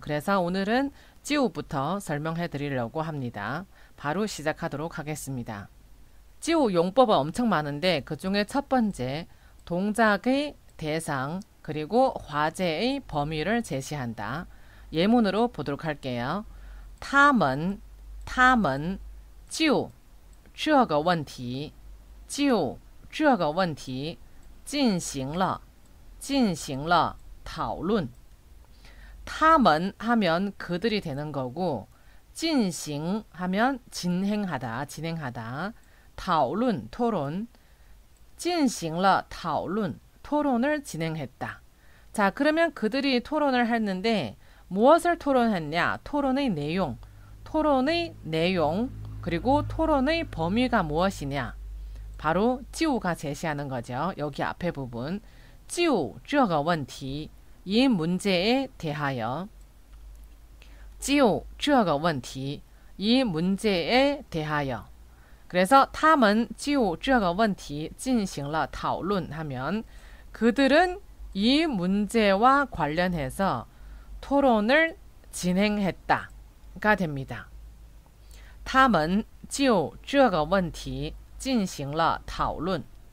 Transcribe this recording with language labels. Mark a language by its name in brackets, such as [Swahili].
[Korean] 그래서 오늘은 찌오부터 설명해 드리려고 합니다. 바로 시작하도록 하겠습니다. 찌오 용법은 엄청 많은데 그 중에 첫 번째, 동작의 대상 그리고 화제의 범위를 제시한다. 예문으로 보도록 할게요. [Chinese] 他们就 这个问题 进行了 讨论. [Korean] 他们 하면 그들이 되는 거고 进行 하면 진행하다, 진행하다. 讨论 토론 [Chinese] 进行了 讨论 [Korean] 토론을 진행했다. 자, 그러면 그들이 토론을 했는데 무엇을 토론했냐? 토론의 내용. 토론의 내용 그리고 토론의 범위가 무엇이냐? 바로 지우가 제시하는 거죠. 여기 앞에 부분. 지우 [Chinese] 这个问题. [Korean] 이 문제에 대하여. 지우 [Chinese] 这个问题. [Korean] 이 문제에 대하여. 그래서 他们 지우 [Chinese] 这个问题 进行了 讨论 [Korean] 하면 그들은 이 문제와 관련해서 토론을 진행했다가 됩니다. [Chinese] 他们就这个问题进行了讨论.